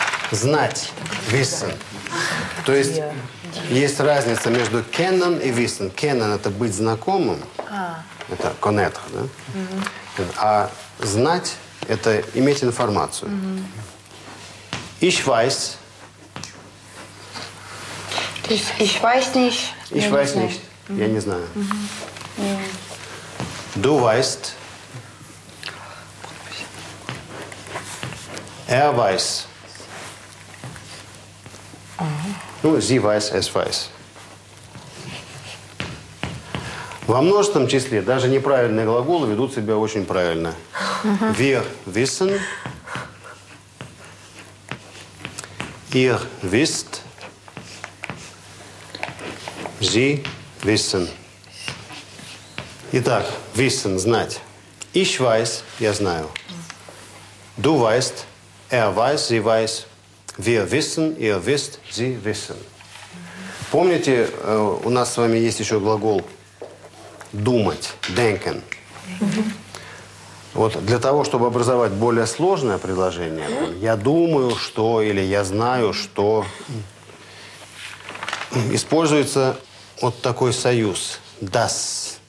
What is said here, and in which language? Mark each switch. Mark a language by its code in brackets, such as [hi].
[ru] Знать. Wissen. То есть есть разница между kennen и wissen. Kennen – это быть знакомым. Это connaître, да? А знать – это иметь информацию. [de] Ich weiß. [ru] То есть, [de] ich weiß nicht. Ich weiß nicht. [ru] Я не знаю. [de] Du weißt. Er weiß. Ну, sie weiß, es weiß. [ru] Во множественном числе даже неправильные глаголы ведут себя очень правильно. [de] Wir wissen. Ihr wisst. Sie wissen. [ru] Итак, wissen – знать. [de] Ich weiß [ru] – я знаю. [de] Du weißt – er weiß, sie weiß. Wir wissen – ihr wisst, sie wissen. [ru] Помните, у нас с вами есть еще глагол «думать» – «denken». Вот для того, чтобы образовать более сложное предложение, «я думаю, что» или «я знаю, что», используется вот такой союз – «das».